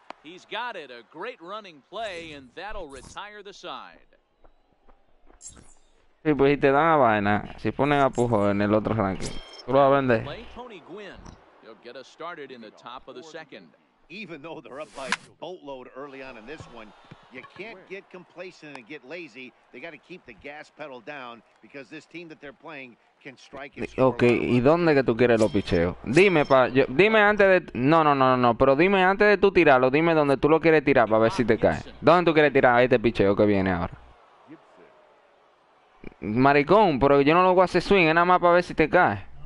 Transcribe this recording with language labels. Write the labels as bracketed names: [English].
[English] He's got it, a great running play, and that'll retire the side. [Spanish] Sí, pues si te dan a vaina, si ponen a Pujo en el otro ranking, tú lo vas a vender. [English] Tony Gwynn. He'll get us started in the top of the second. Even though they're up by a boatload early on in this one, you can't get complacent and get lazy. They got to keep the gas pedal down because this team that they're playing can strike and score. [Spanish] Okay, ¿y dónde que tú quieres los picheos? Dime, pa, yo, dime antes de... No, pero dime antes de tú tirarlo, dime dónde tú lo quieres tirar para ver si te cae. ¿Dónde tú quieres tirar este picheo que viene ahora? Maricón, pero yo no lo voy a hacer swing, es nada más para ver si te cae.